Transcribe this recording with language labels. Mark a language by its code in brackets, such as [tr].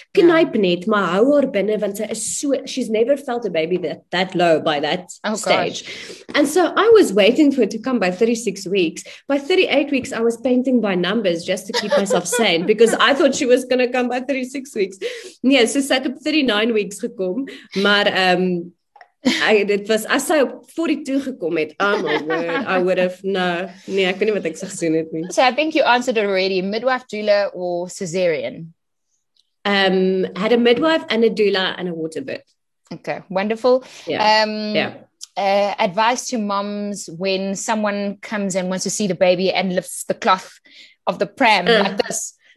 [af] Knyp net, maar hou haar binne, want sy is so, [en] she's never felt a baby that low by that stage. Gosh. And so I was waiting for it to come by 36 weeks. By 38 weeks, I was painting by numbers just to keep myself sane because I thought she was going to come by 36 weeks. [af] Nee, so sy het op 39 weeks gekom, maar dit was, as sy op 42 gekom het, [en] I would have, [af] ek weet nie wat ek sy gesien het nie. [en] So I think you answered it already, midwife, doula or cesarean? Had a midwife and a doula and a water birth. Okay, wonderful. Advice to moms when someone comes and wants to see the baby and lifts the cloth of the pram like this.